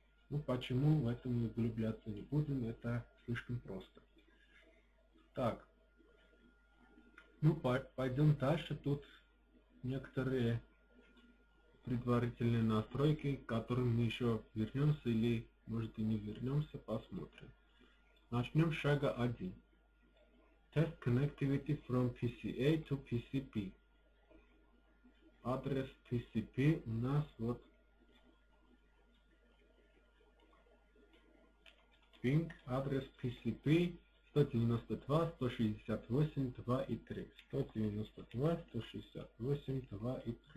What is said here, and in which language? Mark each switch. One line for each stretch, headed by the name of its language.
Russian: Ну почему в этом углубляться не будем, это слишком просто. Так, ну пойдем дальше, тут некоторые предварительные настройки, к которым мы еще вернемся или может и не вернемся, посмотрим. Начнем с шага 1.
English: Test connectivity from PCA to PCP.
Russian: Адрес PCP у нас вот ping адрес PCP 192.168.2.3. 192.168.2.3.